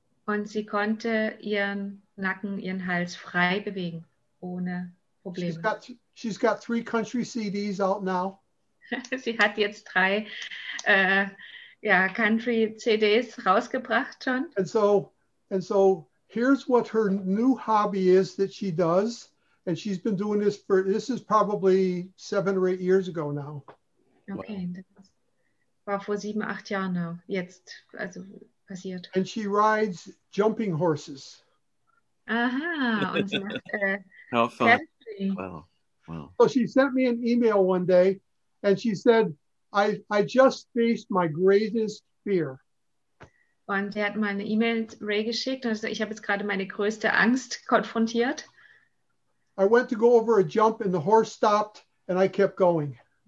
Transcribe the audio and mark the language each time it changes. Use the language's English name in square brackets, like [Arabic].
[German] Und sie konnte ihren Nacken, ihren Hals frei bewegen, ohne Probleme. [English] She's got three country CDs out now. [German] Sie hat jetzt drei country CDs rausgebracht schon. [English] And so here's what her new hobby is that she does. And she's been doing this for, this is probably 7 or 8 years ago now. [German] Okay, das war vor 7, 8 Jahren [English] now, [German] jetzt, also passiert. [English] And she rides jumping horses. [German] Aha, und sie macht, [English] how fun. Wow. So she sent me an email one day and she said, I just faced my greatest fear. [German] Und sie hat meine E-Mail Ray geschickt und ich habe jetzt gerade meine größte Angst konfrontiert. [English] I went to go over a jump and the horse stopped and I kept going.